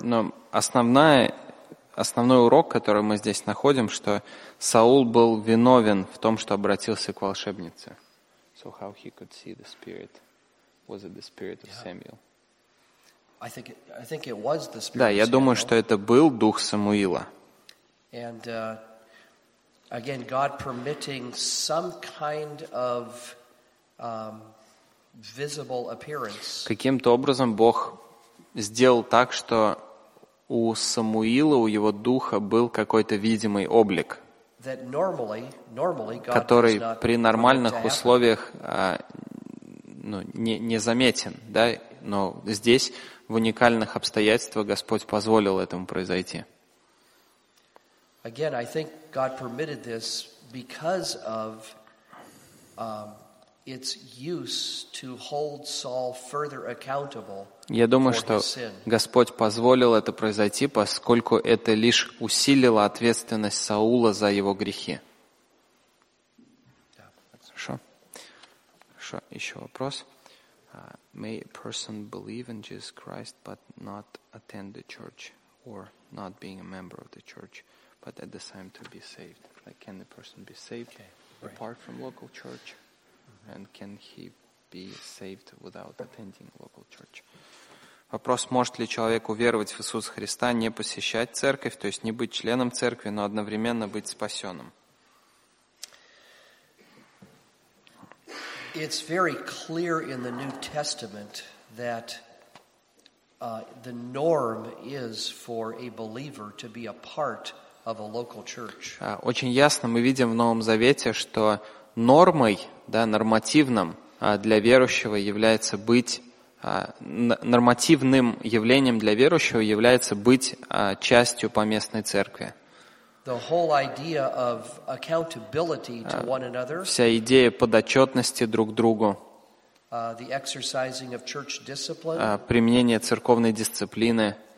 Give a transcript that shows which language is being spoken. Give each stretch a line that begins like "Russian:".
Russian: Но основной урок, который мы здесь находим, что Саул был виновен в том, что обратился к волшебнице.
English: So how he could see the spirit? Was it the spirit of Samuel? I think it was the spirit.
Russian: Да, я думаю, что это был дух Самуила.
English: And again, God permitting some kind of visible appearance.
Russian: Каким-то образом Бог сделал так, что у Самуила, у его духа был какой-то видимый облик, который при нормальных условиях не заметен, да, но здесь в уникальных обстоятельствах Господь позволил этому произойти.
English: Again, I think God permitted this because of its use to hold Saul further accountable for his sin.
Russian: Я думаю, что Господь позволил это произойти, поскольку это лишь усилило ответственность Саула за его грехи. Хорошо. Еще вопрос.
English: May a person believe in Jesus Christ but not attend the church or not being a member of the church but at the same to be saved? Like, can a person be saved apart from local church? Mm-hmm. And can he be saved without attending local church?
Russian: Вопрос, может ли человек уверовать в Иисуса Христа, не посещать церковь, то есть не быть членом церкви, но одновременно быть спасенным?
English: It's very clear in the New Testament that the norm is for a believer to be a part of a local church.
Russian: Очень ясно мы видим в Новом Завете, что нормой, да, нормативным для верующего является быть нормативным явлением для верующего является быть частью поместной церкви.
English: The whole idea of accountability to one another.
Russian: Вся идея подотчетности друг другу.
English: The exercising of church discipline.
Russian: Применение церковной дисциплины.